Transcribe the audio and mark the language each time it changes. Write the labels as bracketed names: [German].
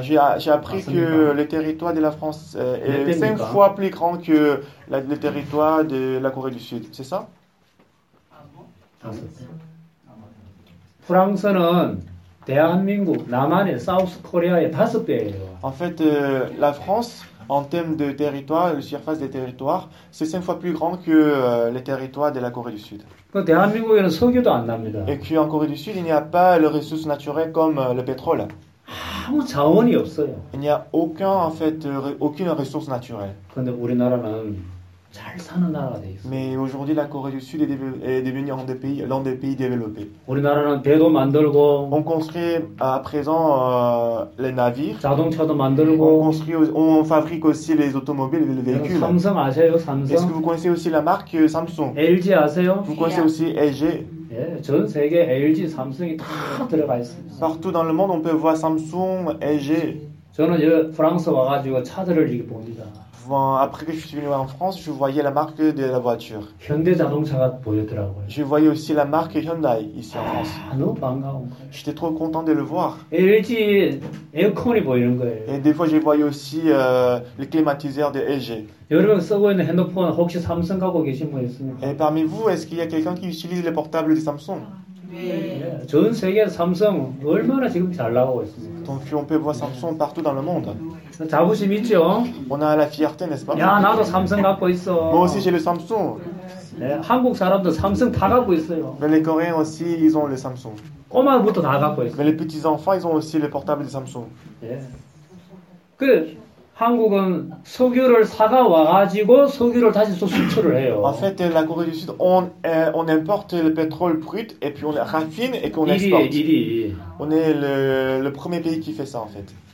[French] J'ai appris que le territoire de la France est 5 fois plus grand que le territoire de la Corée du Sud, c'est ça? [Korean] 다섯. 프랑스는 대한민국 남한의 사우스 코리아의 다섯 배예요. [French] En fait, la France, en termes de territoire, de surface de territoire, c'est 5 fois plus grand que les territoires de la Corée du Sud. [Korean] 그 대한민국에는 석유도 안 납니다. [French] Et qu'en Corée du Sud, il n'y a pas les ressources naturelles comme le pétrole. [Korean] 아무 자원이 없어요. [French] Il n'y a aucune ressource naturelle. [Korean] 근데 우리나라는 잘 사는 나라가 돼 있어. [French] Mais aujourd'hui la Corée du Sud est devenu l'un des pays développés. [Korean] 우리나라는 배도 만들고 [French] On construit à présent les navires. [Korean] 자동차도 만들고 [French] on fabrique aussi les automobiles et les véhicules. [Korean] 삼성 아세요? 삼성. [French] Est-ce que vous connaissez aussi la marque Samsung? [Korean] LG 아세요? [French] Vous connaissez aussi LG? [Korean] 예, 전 세계 LG, 삼성이 다 들어가 있습니다. [French] Partout dans le monde on peut voir Samsung, LG. [Korean] 저는 이제 프랑스 와 가지고 차들을 이렇게 봅니다. [French] Après que je suis venu en France, je voyais la marque de la voiture. Je voyais aussi la marque Hyundai ici en France. J'étais trop content de le voir. Et des fois, je voyais aussi le climatiseur de LG. Et parmi vous, est-ce qu'il y a quelqu'un qui utilise les portables de Samsung? Donc, on peut voir Samsung partout dans le monde. [Korean] 자부심 있죠? [French] On a la fierté, n'est-ce pas? [Korean] 야, 나도 삼성 갖고 있어. [French] Moi aussi, j'ai le Samsung. [Korean] 네, 한국 사람도 삼성 다 갖고 있어요. [French] Mais les Coréens aussi, ils ont le Samsung. [Korean] 꼬마부터 다 갖고 있어. [French] Mais les petits-enfants, ils ont aussi le portable de Samsung. [Korean] 예. 그, 한국은 석유를 사가 와가지고 석유를 다시 또 수출을 해요. [French] En fait, la Corée du Sud, on importe le pétrole brut et puis on le raffine et qu'on exporte. [Korean] 일이. [French] On est le premier pays qui fait ça, en fait.